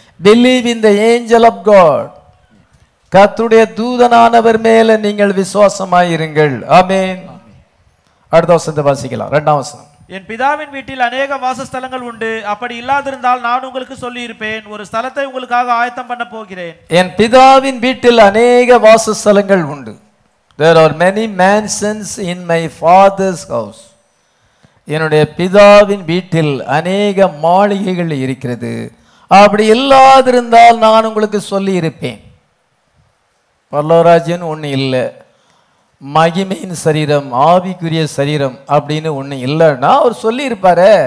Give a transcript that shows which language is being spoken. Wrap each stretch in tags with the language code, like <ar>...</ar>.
<ta>Believe in the angel of God, கர்த்தருடைய தூதனானவர் மேல நீங்கள் விசுவாசமாய் இருங்கள். ஆமென். அடுத்த வசனத்தை வாசிக்கலாம், 2 என் பிதாவின் வீட்டில் அநேக வாசஸ்தலங்கள் உண்டு, அப்படி இல்லாதிருந்தால் நான் உங்களுக்கு சொல்லியிருப்பேன், ஒரு ஸ்தலத்தை உங்களுக்காக ஆயத்தம் பண்ண போகிறேன். என் பிதாவின் வீட்டில் அநேக வாசஸ்தலங்கள் உண்டு.</ta> <en>There are many mansions in my father's house.</en> <ta>என்னுடைய பிதாவின் வீட்டில் அநேக மாளிகைகள் இருக்கிறது, அப்படி இல்லாதிருந்தால் நான் உங்களுக்கு சொல்லியிருப்பேன். பல்லவராஜன் ஒன்று இல்லை, மகிமையின் சரீரம், ஆவிக்குரிய சரீரம் அப்படின்னு ஒன்று இல்லைன்னா அவர் சொல்லியிருப்பாரே.</ta>